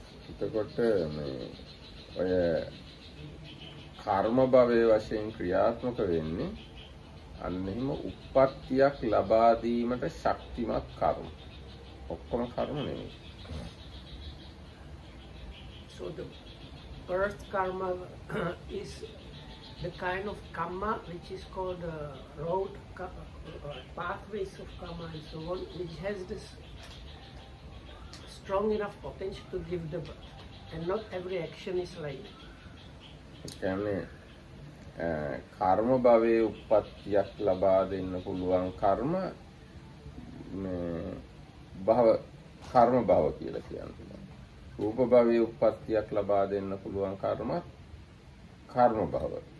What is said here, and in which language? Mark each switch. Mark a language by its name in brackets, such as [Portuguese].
[Sinhala] එතකොට මේ ඔය කර්ම භවයේ වශයෙන් ක්‍රියාත්මක වෙන්නේ අන්න එහෙම උප්පත්තියක් ලබා දීමට ශක්තිමත් කර්ම. ඔක්කොම කර්ම නෙමෙයි. [English] So the birth karma is the kind of karma which is called the road pathways of karma and so on, which has this strong enough potential to give the birth, and not every action is like it. [Sinhala] කියන්නේ කර්ම භවයේ උප්පත්තියක් ලබා දෙන්න පුළුවන් කර්ම මේ භව කර්ම භව කියලා කියන්නේ. රූප භවයේ උප්පත්තියක් ලබා දෙන්න පුළුවන් කර්ම කර්ම භව.